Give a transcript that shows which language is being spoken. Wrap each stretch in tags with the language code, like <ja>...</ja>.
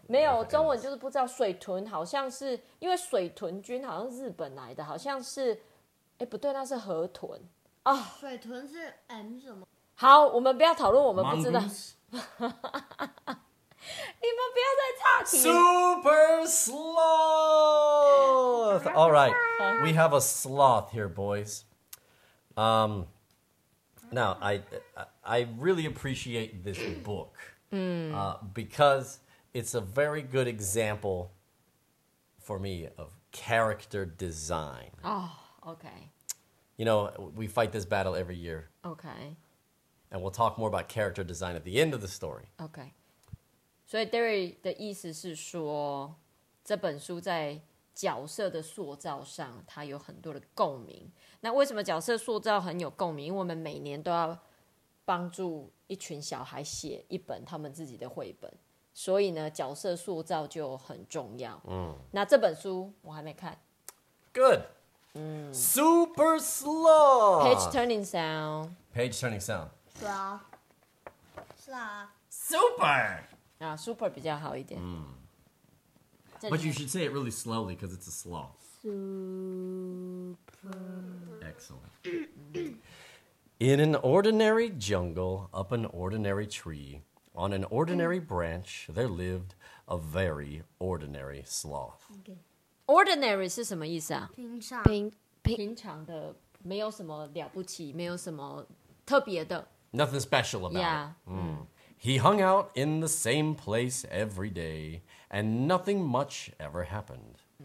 <zh>没有中文就是不知道水豚好像是因为水豚君好像是日本来的好像是哎不对那是河豚、oh. 水豚是 M 什么好我们不要讨论我们不知道你们不要再岔题</zh> <en>Super Sloth Alright We have a sloth here boys Now, I really appreciate this book because it's a very good example for me of character design. Oh, okay. You know, we fight this battle every year. Okay. And we'll talk more about character design at the end of the story. Okay.</en> <zh>So Derry 的意思是说，这本书在角色的塑造上它有很多的共鸣那为什么角色塑造很有共鸣因为我们每年都要帮助一群小孩写一本他们自己的绘本所以呢角色塑造就很重要、嗯、那这本书我还没看</zh> <en>Good、嗯、 Super slow Page turning sound Page turning sound Slow Super、</en> <zh>啊、Super 比较好一点、</zh> <en>嗯But you should say it really slowly because it's a sloth. Super. Excellent. In an ordinary jungle, up an ordinary tree, on an ordinary branch, there lived a very ordinary sloth.</en> <zh>Okay. Ordinary 是什么意思啊？平常。平常的，没有什么了不起，没有什么特别的。</zh> <en>Nothing special about yeah. it. He hung out in the same place every day, and nothing much ever happened.</en>